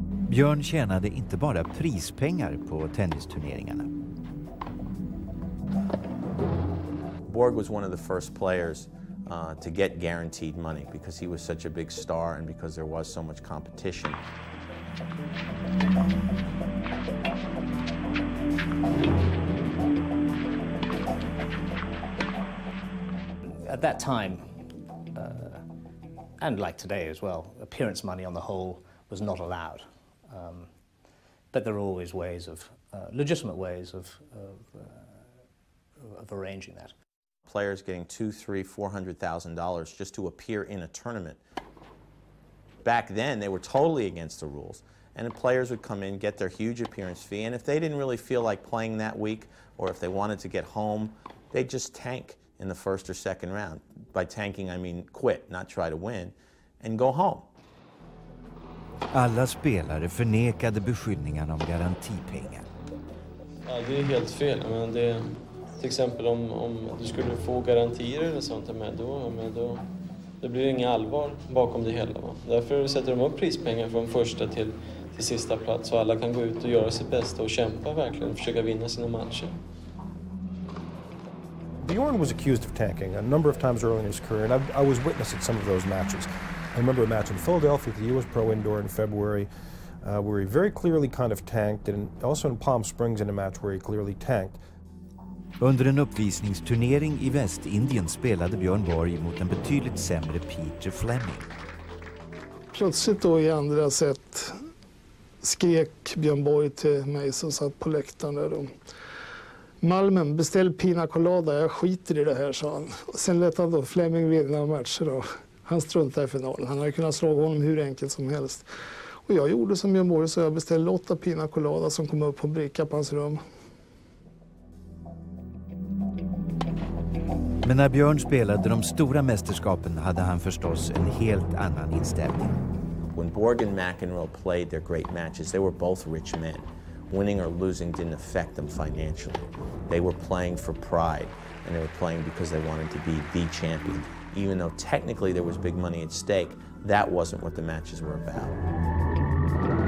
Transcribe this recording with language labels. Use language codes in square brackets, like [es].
[sv] Björn tjänade inte bara prispengar på tennisturneringarna. [en] Borg was one of the first players to get guaranteed money because he was such a big star and because there was so much competition. At that time, and like today as well, appearance money on the whole was not allowed. But there are always ways of, legitimate ways of arranging that. Players getting $200,000-$400,000 just to appear in a tournament. Back then, they were totally against the rules. And the players would come in, get their huge appearance fee, and if they didn't really feel like playing that week, or if they wanted to get home, they'd just tank in the first or second round. By tanking, I mean quit, not try to win, and go home. [sv] Alla spelare förnekade beskyllningarna om garantipengar. Ja, det är helt fel. Men det, till exempel om du skulle få garantier eller sånt med, då blir det inget allvar bakom det hela. Därför sätter de upp prispengar från första till sista plats så alla kan gå ut och göra sitt bästa och kämpa verkligen och försöka vinna sina matcher. [en] Bjorn was accused of tanking a number of times early in his career, and I was witness at some of those matches. I remember a match in Philadelphia at the U.S. Pro Indoor in February, where he very clearly kind of tanked, and also in Palm Springs in a match where he clearly tanked. [sv] Under en uppvisningsturnering i Västindien spelade Björn Borg mot en betydligt sämre Peter Fleming. Plötsligt då i andra set skrek Björn Borg till mig som satt på läktaren där då. Malmen, beställ pina colada, jag skiter i det här, sa han. Sen lät han då Fleming vinna matcher och han struntade i finalen. Han hade kunnat slå honom hur enkelt som helst. Och jag gjorde som Björn Borg, så jag beställde 8 pina colada som kom upp på bricka på hans rum. Men när Björn spelade de stora mästerskapen hade han förstås en helt annan inställning. [en] When Borg and McEnroe played their great matches, they were both rich men. Winning or losing didn't affect them financially. They were playing for pride, and they were playing because they wanted to be the champion. Even though technically there was big money at stake, that wasn't what the matches were about.